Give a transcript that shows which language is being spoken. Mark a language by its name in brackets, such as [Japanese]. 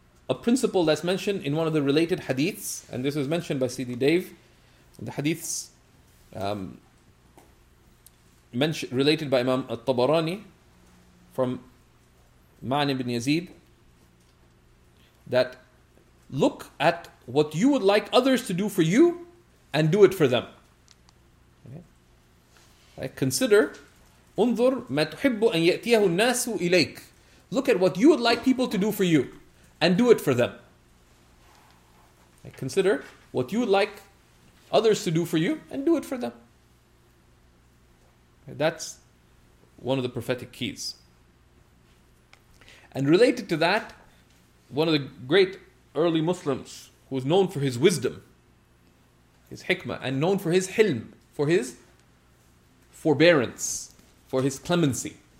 [English] A principle that's mentioned in one of the related hadiths, and this was mentioned by Sidi Dave, the hadiths mentioned, related by Imam At-Tabarani from Ma'an ibn Yazid, that look at what you would like others to do for you and do it for them. Okay. Right. Consider, [Arabic] انظر ما تحب أن يأتيه الناس إليك. [English] Look at what you would like people to do for you and do it for them. Right. Consider what you would like others to do for you and do it for them. Right. That's one of the prophetic keys. And related to that, one of the great early Muslims who was known for his wisdom, his hikmah, and known for his hilm, for his forbearance, for his clemency.